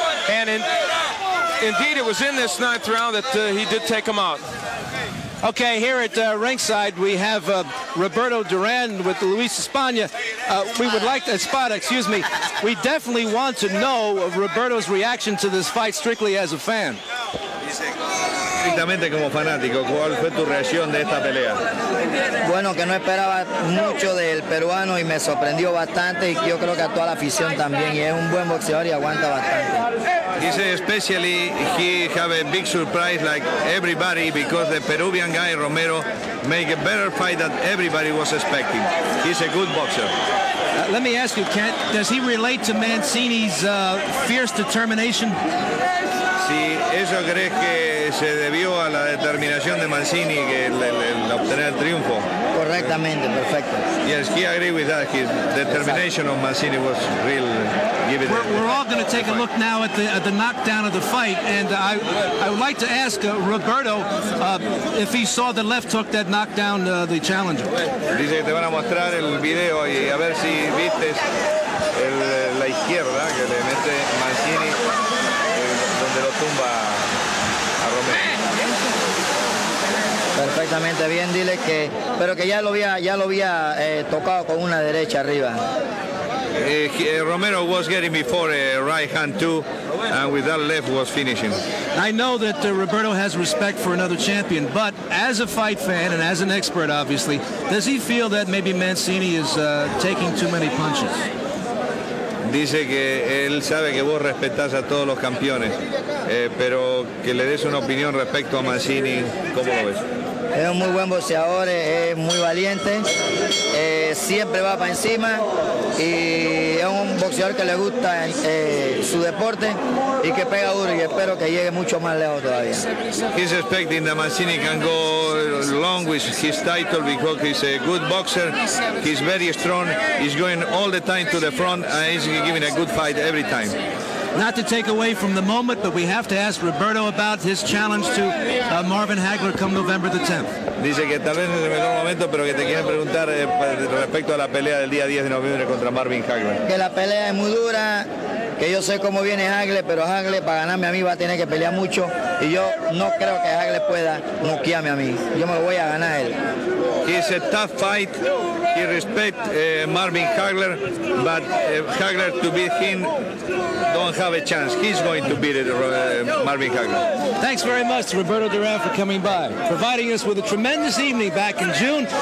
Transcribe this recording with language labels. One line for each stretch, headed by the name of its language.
English: And indeed, it was in this ninth round that he did take him out. Okay, here at ringside, we have Roberto Duran with Luis España. We would like to, we definitely want to know Roberto's reaction to this fight strictly as a fan.
Spanish: Directamente como fanático, ¿cuál fue tu reacción de esta pelea? Bueno, que no esperaba mucho del peruano y me sorprendió bastante, y yo creo que a toda la afición también, y es un buen boxeador y aguanta bastante.
English: He said especially he have a big surprise like everybody, because the Peruvian guy Romero make a better fight than everybody was expecting. He's a good boxer. Let me ask you, Kent, does he relate to Mancini's fierce determination?
Spanish: Si eso crees que se debió a la determinación de Mancini que el obtener el triunfo. Correctamente, perfecto.
English: Yes, he agreed with that. His determination of Mancini was real. We're all going to take a look now at the knockdown of the fight, and I would like to ask Roberto if he saw the left hook that knocked down the challenger.
Spanish: Dice que te van a mostrar el video y a ver si viste la izquierda que le mete Mancini donde lo tumba a Romero. Perfectamente bien, dile que, pero que ya lo había tocado con una derecha arriba.
English: Romero was getting before a right hand too, and with that left was finishing. I know that Roberto has respect for another champion, but as a fight fan and as an expert, obviously, does he feel that maybe Mancini is taking too many punches?
Spanish: Dice que él sabe que vos respetás a todos los campeones, pero que le des una opinión respecto a Mancini, ¿cómo lo ves? Es un muy buen boxeador, es muy valiente, siempre va para encima, y es un boxeador que le gusta su deporte y que pega duro, y espero que llegue mucho más lejos todavía.
English: He's expecting that Mancini can go long with his title because he's a good boxer, he's very strong, he's going all the time to the front, and he's giving a good fight every time. Not to take away from the moment, but we have to ask Roberto about his challenge to Marvin Hagler come November the 10th.
Spanish: Dice que tal vez es el mejor momento, pero que te quieren preguntar respecto a la pelea del día 10 de noviembre contra Marvin Hagler. Que la pelea es muy dura, que yo sé cómo viene Hagler, pero Hagler para ganarme a mí va a tener que pelear mucho, y yo no creo que Hagler pueda noquearme a mí. Yo me lo voy a ganar a él.
English: It's a tough fight. He respects Marvin Hagler, but Hagler to beat him, don't don't have a chance. He's going to beat it, Marvin Hagler. Thanks very much to Roberto Duran for coming by, providing us with a tremendous evening back in June.